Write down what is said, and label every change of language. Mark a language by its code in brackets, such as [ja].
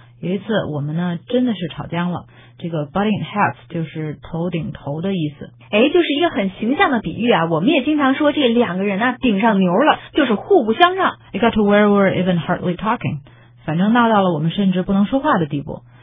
[zh] 有一次我们呢真的是吵僵了。这个 butting heads 就是头顶头的意思。哎，就是一个很形象的比喻啊。我们也经常说这两个人啊顶上牛了，就是互不相让。 [en] It got to where we were even hardly talking. [zh] 反正闹到了我们甚至不能说话的地步。